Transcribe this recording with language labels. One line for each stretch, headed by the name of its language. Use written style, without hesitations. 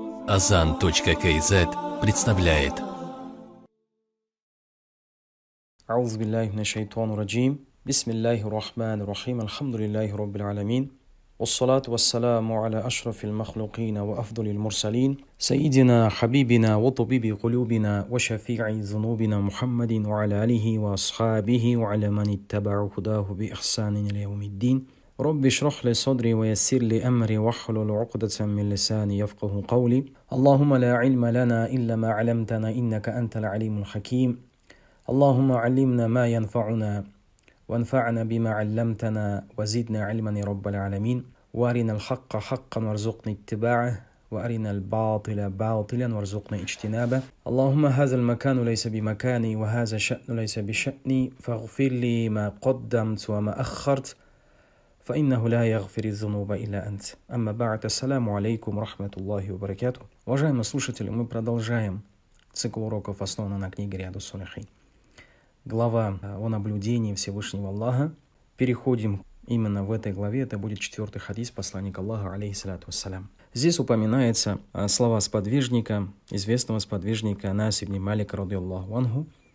Russian: azan.kz представляет.
Arabic: أعوذ بالله من الشيطان الرجيم. بسم الله الرحمن الرحيم. الحمد لله رب العالمين. والصلاة والسلام على أشرف المخلوقين وأفضل المرسلين. سيدنا حبيبنا وطبيب قلوبنا وشفيع ذنوبنا محمد وعلى آله وأصحابه وعلى من اتبع هداه بإحسان إلى يوم الدين. رب اشرح لي صدري ويسر لي أمري واحلل عقدة من لساني يفقه قولي. اللهم لا علم لنا إلا ما علمتنا إنك أنت العليم الحكيم. اللهم علمنا ما ينفعنا وانفعنا بما علمتنا وزدنا علما يا رب العالمين. وارنا الحق حقا وارزقنا اتباعه وارنا الباطل باطلا وارزقنا اجتنابه. اللهم هذا المكان ليس بمكاني وهذا شأن ليس بشأني، فاغفر لي ما قدمت وما أخرت فإنه لا يغفر الذنوب إلا أنت. أما بعد، السلام عليكم ورحمة الله وبركاته.
Russian: Уважаемые слушатели, мы продолжаем цикл уроков, основанный на книге Риаду Салихин. Глава о наблюдении Всевышнего Аллаха. Переходим именно в этой главе. Это будет 4-й хадис посланника Аллаха, алейхиссалату вассалям. Здесь упоминаются слова сподвижника, известного сподвижника Анас ибн Малика, радиаллаху анху.